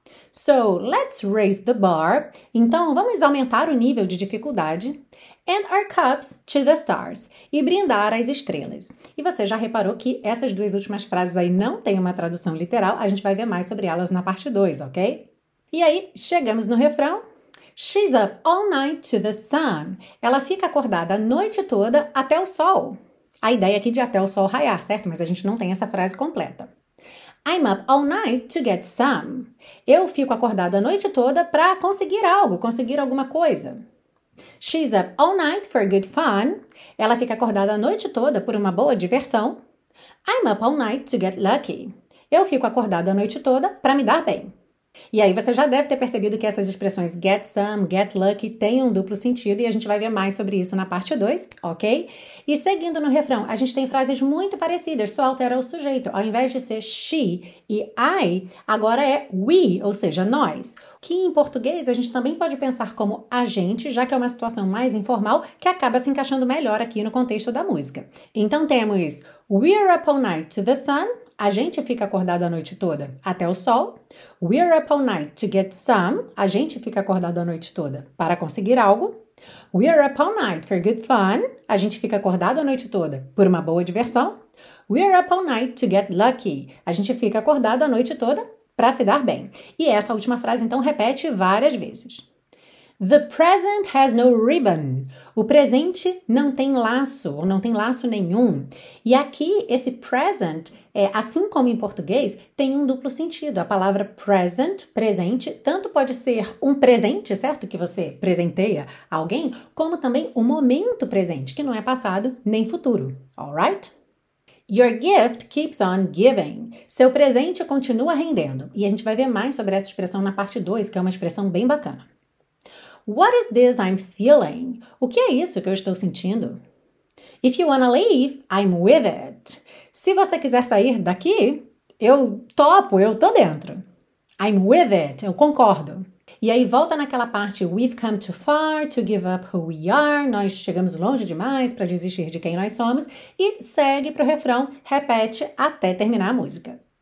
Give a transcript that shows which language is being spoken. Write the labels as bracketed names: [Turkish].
[English] So, let's raise the bar, [Portuguese] então vamos aumentar o nível de dificuldade, [English] and our cups to the stars, [Portuguese] e brindar às estrelas. E você já reparou que essas duas últimas frases aí não têm uma tradução literal, a gente vai ver mais sobre elas na parte 2, ok? E aí, chegamos no refrão. [English] She's up all night to the sun. [Portuguese] Ela fica acordada a noite toda até o sol. A ideia aqui de até o sol raiar, certo? Mas a gente não tem essa frase completa. [English] I'm up all night to get some. [Portuguese] Eu fico acordado a noite toda para conseguir algo, conseguir alguma coisa. [English] She's up all night for good fun. [Portuguese] Ela fica acordada a noite toda por uma boa diversão. [English] I'm up all night to get lucky. [Portuguese] Eu fico acordado a noite toda para me dar bem. E aí você já deve ter percebido que essas expressões get some, get lucky, têm um duplo sentido, e a gente vai ver mais sobre isso na parte 2, ok? E seguindo no refrão, a gente tem frases muito parecidas, só altera o sujeito. Ao invés de ser she e I, agora é we, ou seja, nós. Que em português a gente também pode pensar como a gente, já que é uma situação mais informal, que acaba se encaixando melhor aqui no contexto da música. Então temos [English] we're up all night to the sun. [Portuguese] A gente fica acordado a noite toda até o sol. [English] We're up all night to get some. [Portuguese] A gente fica acordado a noite toda para conseguir algo. [English] We're up all night for good fun. [Portuguese] A gente fica acordado a noite toda por uma boa diversão. [English] We're up all night to get lucky. [Portuguese] A gente fica acordado a noite toda para se dar bem. E essa última frase, então, repete várias vezes. [English] The present has no ribbon. [Portuguese] O presente não tem laço, ou não tem laço nenhum. E aqui, esse present, assim como em português, tem um duplo sentido. A palavra present, presente, tanto pode ser um presente, certo? Que você presenteia alguém, como também um momento presente, que não é passado nem futuro. [English] All right? Your gift keeps on giving. [Portuguese] Seu presente continua rendendo. E a gente vai ver mais sobre essa expressão na parte 2, que é uma expressão bem bacana. [English] What is this I'm feeling? [Portuguese] O que é isso que eu estou sentindo? [English] If you wanna leave, I'm with it. [Portuguese] Se você quiser sair daqui, eu topo, eu tô dentro. [English] I'm with it, [Portuguese] eu concordo. E aí volta naquela parte, [English] we've come too far to give up who we are, [Portuguese] nós chegamos longe demais para desistir de quem nós somos, e segue pro refrão, repete até terminar a música.